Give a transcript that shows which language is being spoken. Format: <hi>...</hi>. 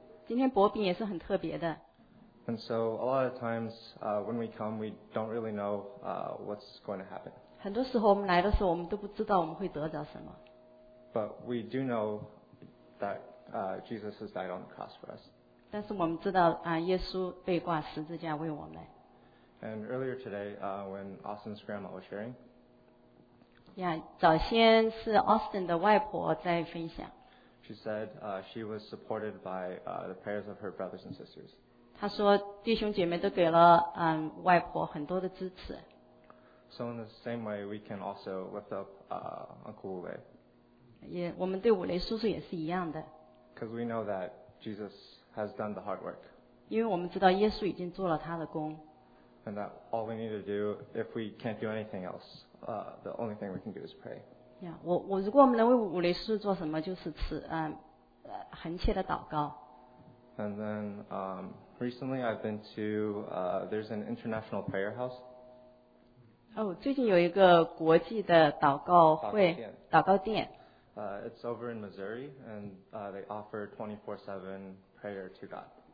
<zh>今天薄饼也是很特别的。</zh> <en>And so a lot of times when we come, we don't really know what's going to happen.</en> <zh>很多时候我们来的时候，我们都不知道我们会得着什么。</zh> <en>But we do know that Jesus has died on the cross for us.</en> <zh>但是我们知道啊，耶稣被挂十字架为我们。</zh> <en>And earlier today, when Austin's grandma was sharing.</en> <zh>Yeah, 早先是 Austin 的外婆在分享。</zh> <en>She said she was supported by the prayers of her brothers and sisters.</en> <zh>他说弟兄姐妹都给了、外婆很多的支持。</zh> <en>So in the same way, we can also lift up Uncle Wu Lei.</en> <zh>也我们对武雷叔叔也是一样的。</zh> <en>Because we know that Jesus has done the hard work.</en> <zh>因为我们知道耶稣已经做了他的工。</zh> <en>And that all we need to do, if we can't do anything else, the only thing we can do is pray.</en> <zh>Yeah, 我如果我们能为武雷叔叔做什么，就是吃、恒切的祷告。</zh> <en>And then, recently I've been to, there's an international prayer house.</en> <zh>哦，最近有一个国际的祷告会，祷告店。</zh> <en>It's over in Missouri, and they offer 24/7 prayer to God.</en>